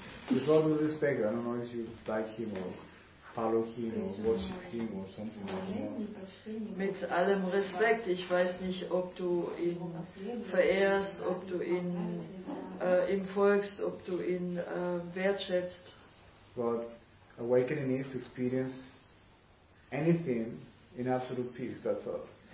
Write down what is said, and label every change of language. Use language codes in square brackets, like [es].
[en] With all due respect, I don't know if you like him or follow him or worship him or something like that. [de] Mit allem Respekt, ich weiß nicht, ob du ihn verehrst, ob du ihn ihm folgst, ob du ihn wertschätzt. [en] But awakening is to experience anything in absolute peace, that's all.